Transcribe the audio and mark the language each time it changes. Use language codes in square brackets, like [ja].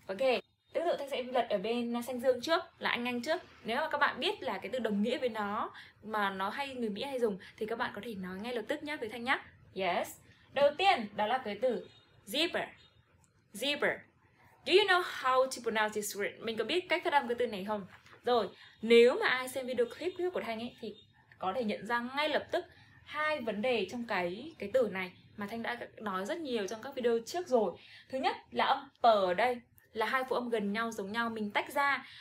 [vi] Ok, tương tự Thanh sẽ lật ở bên xanh dương trước, là Anh trước. Nếu mà các bạn biết là cái từ đồng nghĩa với nó mà nó hay người Mỹ hay dùng thì các bạn có thể nói ngay lập tức nhá với Thanh nhá. Yes. Đầu tiên đó là cái từ zebra. [en] Zebra. Do you know how to pronounce this word? [vi] Mình có biết cách phát âm cái từ này không? Rồi, nếu mà ai xem video clip của Thanh ấy thì có thể nhận ra ngay lập tức hai vấn đề trong cái từ này mà Thanh đã nói rất nhiều trong các video trước rồi. Thứ nhất là âm p ở đây là hai phụ âm gần nhau giống nhau, mình tách ra.